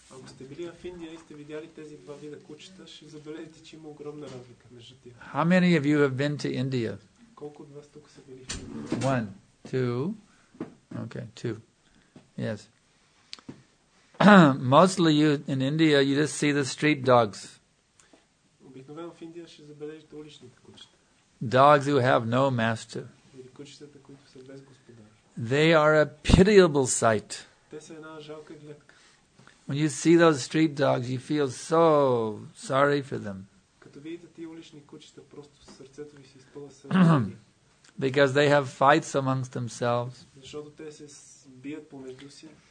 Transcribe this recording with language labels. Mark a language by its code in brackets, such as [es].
[bg] Ако сте били в Индия и сте видяли тези два вида кучета, ще забележите, че има огромна разлика между тях. [en] How many of you have been to India? [bg] Колко от вас тук са били? [en] One, two. Okay, two. Yes. Mostly you in India you just see the street dogs. [bg] Обикновено в Индия ще забележите уличните кучета. [en] Dogs who have no master. [bg] Или кучетата, които са без господар. [en] They are a pitiable sight. [bg] Те са една жалка гледка. [en] When you see those street dogs, you feel so sorry for them. [bg] Като видите тия улични кучета, просто сърцето ви се изпълва с [en] Because they have fights amongst themselves. [bg] Защото те се бият помежду си.